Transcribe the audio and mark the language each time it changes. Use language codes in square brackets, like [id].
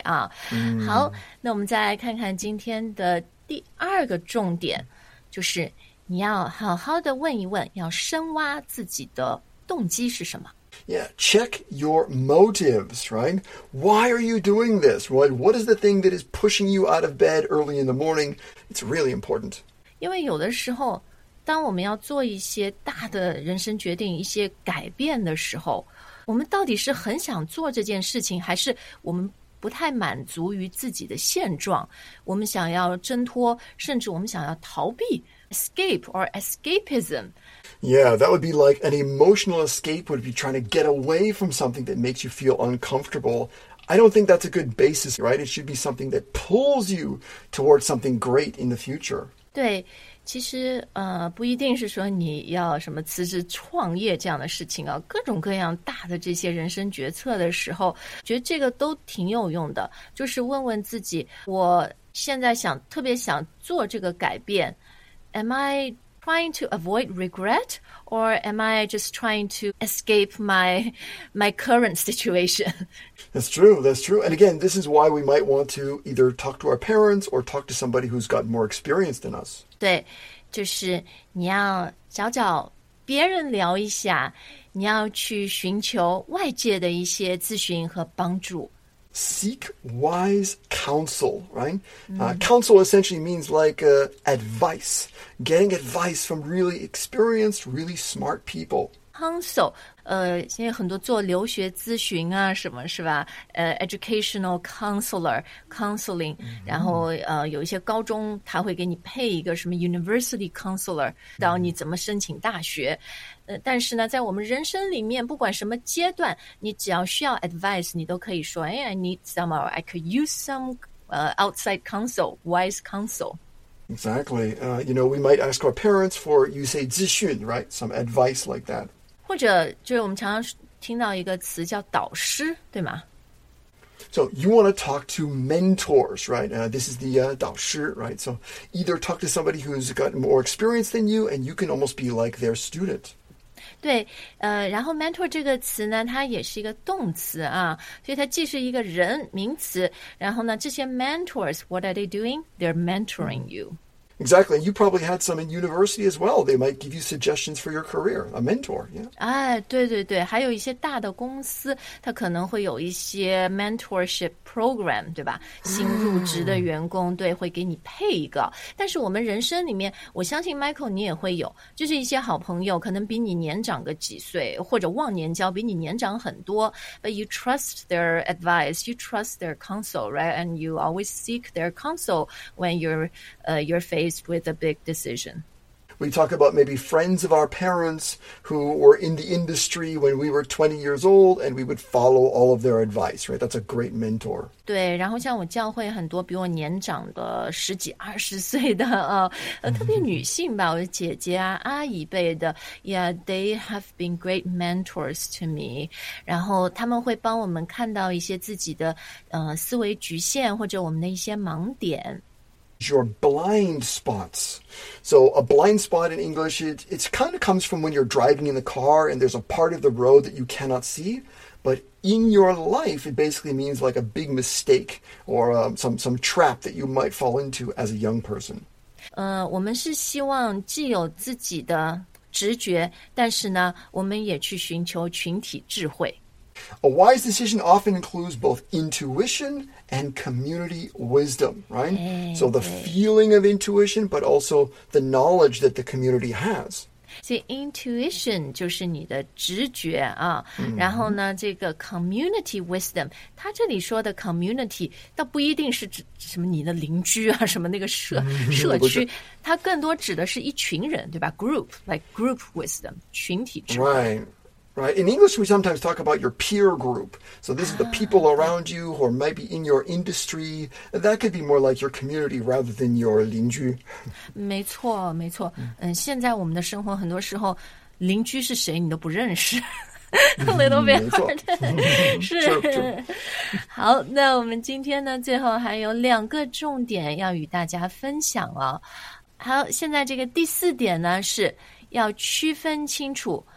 [zh] 啊、好，那我们再来看看今天的第二个重点，就是你要好好的问一问，要深挖自己的动机是什么。 [en] Yeah, check your motives, right? Why are you doing this? What is the thing that is pushing you out of bed early in the morning? It's really important. [zh] 因为有的时候，当我们要做一些大的人生决定，一些改变的时候，我们到底是很想做这件事情，还是我们不太满足于自己的现状，我们想要挣脱，甚至我们想要逃避 , [en] escape or escapism。 Yeah, that would be like an emotional escape would be trying to get away from something that makes you feel uncomfortable. I don't think that's a good basis, right? It should be something that pulls you towards something great in the future. [zh] 对，其实不一定是说你要什么辞职创业这样的事情啊，各种各样大的这些人生决策的时候，觉得这个都挺有用的，就是问问自己，我现在想特别想做这个改变 ， [en] Am I trying to avoid regret or am I just trying to escape my current situation? That's true, that's true. And again, this is why we might want to either talk to our parents or talk to somebody who's got more experience than us. [zh] 对，就是你要找找别人聊一下，你要去寻求外界的一些咨询和帮助。 [en] Seek wise counsel, right? Counsel essentially means advice. Getting advice from really experienced, really smart people. [zh] Counsel, 现在很多做留学咨询啊什么是吧？ [en] Educational counselor, counseling.、Mm-hmm. [zh] 然后有一些高中他会给你配一个什么 university counselor, 到你怎么申请大学。但是呢在我们人生里面不管什么阶段你只要需要 advice, 你都可以说 [en] hey, I need some, or I could use some outside counsel, wise counsel. Exactly. We might ask our parents for, you say, 咨询 right? Some advice like that. [zh] 或者就是我们常常听到一个词叫导师对吗 [en] So you want to talk to mentors, right? This is the 导师 right? So either talk to somebody who's got more experience than you and you can almost be like their student. [zh] 对，然后 mentor 这个词呢，它也是一个动词啊，所以它既是一个人名词，然后呢，这些 [en] mentors, what are they doing? They're mentoring you. Exactly. You probably had some in university as well. They might give you suggestions for your career. A mentor, yeah. [zh] 哎，对对对，还有一些大的公司，它可能会有一些 mentorship program, 对吧？新入职的员工，对，会给你配一个。但是我们人生里面，我相信 Michael 你也会有，就是一些好朋友，可能比你年长个几岁，或者忘年交比你年长很多。 [en] But you trust their advice, you trust their counsel, right? And you always seek their counsel when you're faced with a big decision. We talk about maybe friends of our parents who were in the industry when we were 20 years old and we would follow all of their advice, right? That's a great mentor. [zh] 对，然后像我教会很多比我年长的十几二十岁的特别女性吧，我姐姐啊阿姨辈的 , [en] yeah, they have been great mentors to me. [zh] 然后他们会帮我们看到一些自己的思维局限或者我们的一些盲点。 [en] Your blind spots. So a blind spot in English, it kind of comes from when you're driving in the car and there's a part of the road that you cannot see. But in your life, it basically means like a big mistake or some trap that you might fall into as a young person. [zh] 我们是希望既有自己的直觉，但是呢，我们也去寻求群体智慧。 [en] A wise decision often includes both intuition and community wisdom, right? So the feeling of intuition, but also the knowledge that the community has. [zh] See, intuition 就是你的直觉啊。然后呢，这个 community wisdom, 他这里说的 community, 倒不一定是指什么你的邻居啊，什么那个社区。它更多指的是一群人，对吧 ？ [en] Group, like group wisdom, [zh] 群体智慧。 [en] Right. In English, we sometimes talk about your peer group. So this is the people around you who might be in your industry. That could be more like your community rather than your 邻居。 [zh] 没错，没错。现在我们的生活很多时候，邻居是谁你都不认识。 [en] A little bit hard. 是。 [zh] 好，那我们今天呢，最后还有两个重点要与大家分享啊。好，现在这个第四点呢，是要区分清楚。